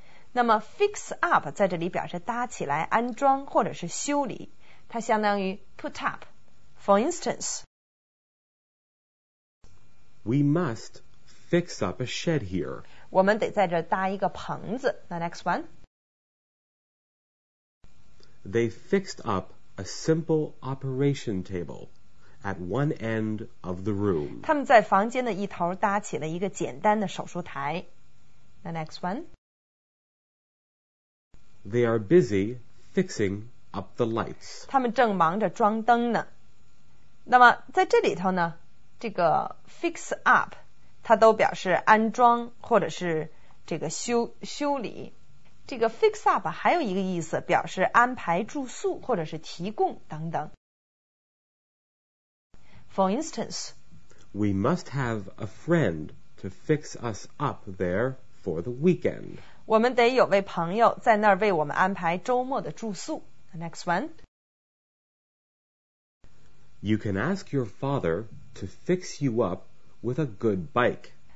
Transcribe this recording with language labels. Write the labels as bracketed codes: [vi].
[zh] 那么 fix up 在这里表示搭起来、安装或者是修理，它相当于 put up. [en] For instance, we must fix up a shed here. [zh] 我们得在这搭一个棚子。 [en] Now next one. They fixed up a simple operation table at one end of the room. [zh] 他们在房间的一头搭起了一个简单的手术台。 [en] The next one. They are busy fixing up the lights. [zh] 他们正忙着装灯呢。那么在这里头呢，这个 fix up 它都表示安装或者是这个 修理。这个 fix up 还有一个意思，表示安排住宿或者是提供等等。 [en] For instance, we must have a friend to fix us up there for the weekend. [zh] 我们得有位朋友在那儿为我们安排周末的住宿。 [en] The next one. You can ask your father to fix you up with a good bike.